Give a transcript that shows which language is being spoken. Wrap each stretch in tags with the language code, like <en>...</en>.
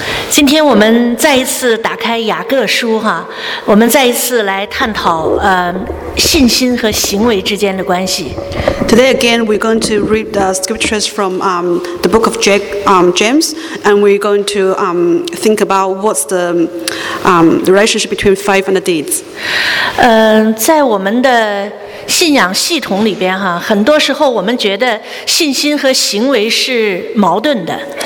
<zh>今天我们再一次打开雅各书哈，我们再一次来探讨信心和行为之间的关系。</zh> <en>Today again, we're going to read the scriptures from the book of James, and we're going to think about what's the relationship between faith and deeds.</en> <zh>在我们的信仰系统里边哈，很多时候我们觉得信心和行为是矛盾的。</zh>